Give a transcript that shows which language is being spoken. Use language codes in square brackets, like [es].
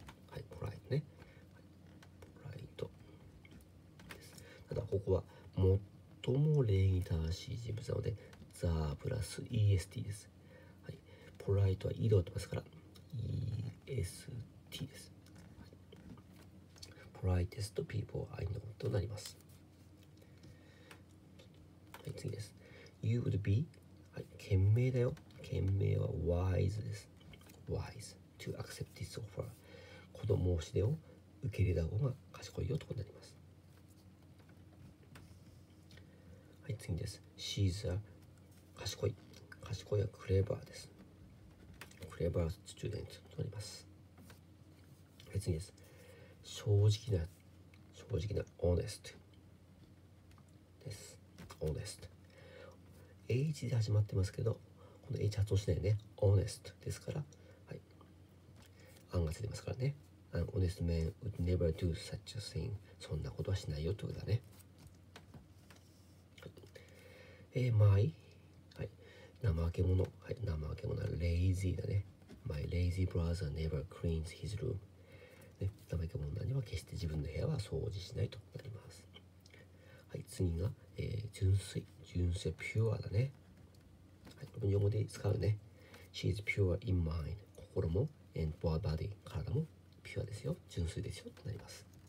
[ja] はい、polite ね、はい、polite です。ただここは最も礼儀正しい人物なので the プラス est です。はい、polite は井戸ってますから est です。 [en] Politest people I know [ja] となります。はい、次です。 [en] You would be、 [ja] はい、賢明だよ。賢明は wise です。 [en] wise to accept this offer、 [ja] この申し出を受け入れた方が賢いよとなります。はい、次です。 [en] She's a [ja] 賢い。賢いはクレバーです。クレバースチューデントとなります。はい、次です。正直な、正直な、honest です。 [en] honest。 [ja] H で始まってますけど、この H 発音しないよね。honest ですから、はい。案が出てますからね。 [en] An honest man would never do such a thing。 [ja] そんなことはしないよってことだね。はい、my、はい。怠け者、はい。怠け者、lazy だね。 [en] My lazy brother never cleans his room。 [ja] ね、怠け者には決して自分の部屋は掃除しないとなります。はい、次が、純粋、純粋、ピュアだね。はい、日本語で使うね。 [en] She is pure in mind、 [ja] 心も [en] and body、 [ja] 体もピュアですよ、純粋ですよとなります。